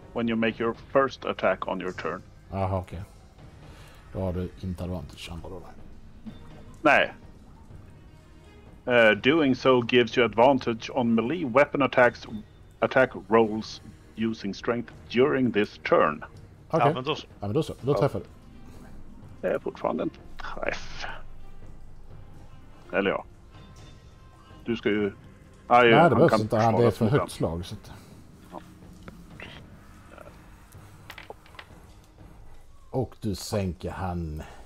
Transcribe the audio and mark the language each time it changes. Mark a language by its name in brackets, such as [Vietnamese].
[English] When you make your first attack on your turn. [Swedish] Aha, okej. Okay. Då har du inte advantage andra då. Nej. [English] Doing so gives you advantage on melee weapon attacks, attack rolls using strength during this turn. [Swedish] Okay. Ja, men då så. Då träffar du. Det är fortfarande en träff. Eller ja. Du ska ju... Aj, nej, det behövs inte. Det är för högt slag. Så att... Och du sänker han...